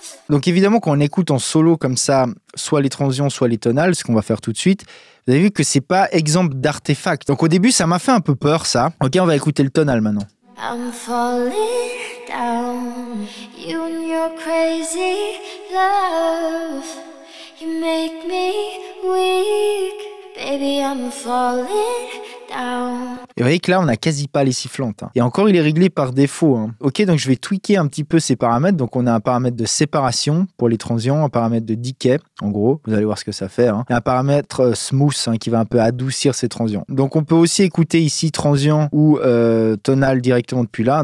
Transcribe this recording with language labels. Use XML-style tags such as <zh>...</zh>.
<fr>Donc évidemment, quand on écoute en solo comme ça, soit les transients, soit les tonales, ce qu'on va faire tout de suite, vous avez vu que c'est pas exemple d'artefact. Donc au début, ça m'a fait un peu peur, ça. Ok, on va écouter le tonal maintenant.</fr> <en>I'm falling down, you and your crazy love, you make me weak, baby I'm falling.</en> <fr>Et vous voyez que là, on n'a quasi pas les sifflantes. Hein. Et encore, il est réglé par défaut. Hein. Ok, donc je vais tweaker un petit peu ces paramètres. Donc, on a un paramètre de séparation pour les transients, un paramètre de decay, en gros. Vous allez voir ce que ça fait. Hein. Et un paramètre smooth hein, qui va un peu adoucir ces transients. Donc, on peut aussi écouter ici transient ou tonal directement depuis là.</fr>